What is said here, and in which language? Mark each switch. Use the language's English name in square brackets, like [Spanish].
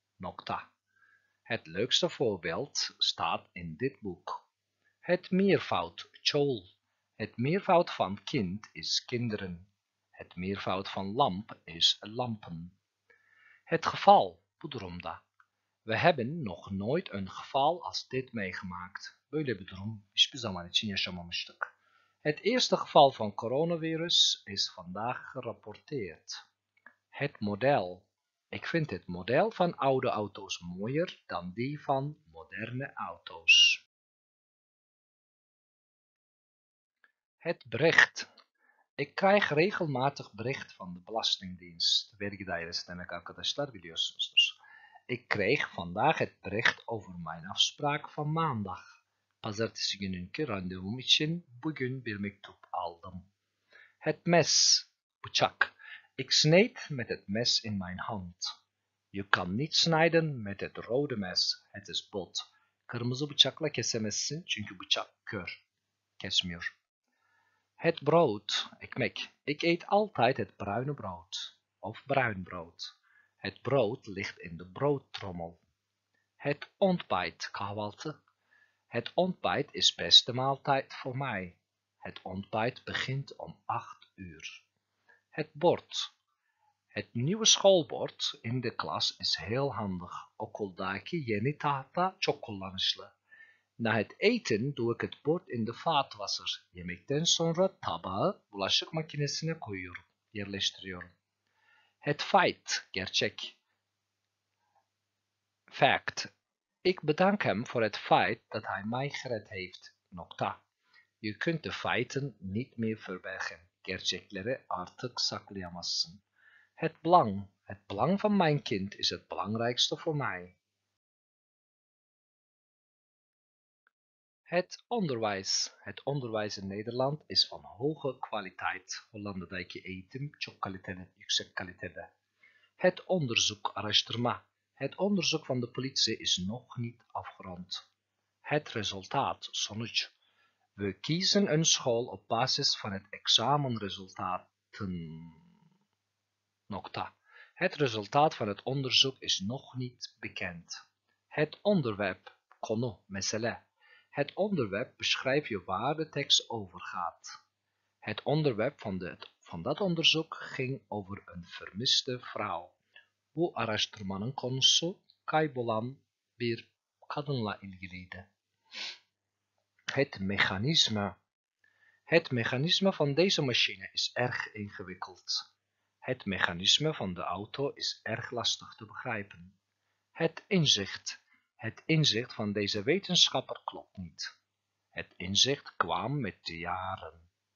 [Dutch] Nokta. Het leukste voorbeeld staat in dit boek. Het meervoud, chol. Het meervoud van kind is kinderen. Het meervoud van lamp is lampen. Het geval, budrumda. We hebben nog nooit een geval als dit meegemaakt. [Turkish] Böyle bir durum hiçbir zaman için yaşamamıştık. [Dutch] Het eerste geval van coronavirus is vandaag gerapporteerd. Het model. Ik vind het model van oude auto's mooier dan die van moderne auto's. Het bericht. Ik krijg regelmatig bericht van de Belastingdienst. [Turkish] Werk dairesi demek arkadaşlar biliyorsunuzdur. [Dutch] Ik kreeg vandaag het bericht over mijn afspraak van maandag. [Turkish] Pazartesi gününkü randevum için bugün bir mektup aldım. [Dutch] Het mes, bıçak. Ik sneed met het mes in mijn hand. Je kan niet snijden met het rode mes. Het is bot. [Turkish] Kırmızı bıçakla kesemezsin çünkü bıçak kör. [Dutch] Kesmiyor. Het brood, ekmek. Ik eet altijd het bruine brood. Of bruin brood. Het brood ligt in de broodtrommel. Het ontbijt, kahvaltı. Het ontbijt is beste maaltijd voor mij. Het ontbijt begint om 8 uur. Het bord. Het nieuwe schoolbord in de klas is heel handig. [Turkish] Okuldaki yeni tahta çok kullanışlı. [Dutch] Na het eten doe ik het bord in de vaatwasser. [Turkish] Yemekten sonra tabağı bulaşık makinesine koyuyorum. Yerleştiriyorum. Het feit. Gerçek. [English] Fact. [Dutch] Ik bedank hem voor het feit dat hij mij gered heeft. Nokta. Je kunt de feiten niet meer verbergen. [Turkish] Gerçekleri artık saklayamazsın. [Dutch] Het belang. Het belang van mijn kind is het belangrijkste voor mij. Het onderwijs. Het onderwijs in Nederland is van hoge kwaliteit. [Turkish] Hollanda'daki eğitim çok kaliteli, yüksek kalitede. [Dutch] Het onderzoek, araştırma. Het onderzoek van de politie is nog niet afgerond. Het resultaat, sonuç. We kiezen een school op basis van het examenresultaten. Nokta. Het resultaat van het onderzoek is nog niet bekend. Het onderwerp, konu, mesele. Het onderwerp beschrijf je waar de tekst over gaat. Het onderwerp van dat onderzoek ging over een vermiste vrouw. [Turkish] Bu araştırmanın konusu kaybolan bir kadınla ilgiliydi. [Dutch] Het mechanisme. Het mechanisme van deze machine is erg ingewikkeld. Het mechanisme van de auto is erg lastig te begrijpen. Het inzicht. Het inzicht van deze wetenschapper klopt niet. Het inzicht kwam met de jaren.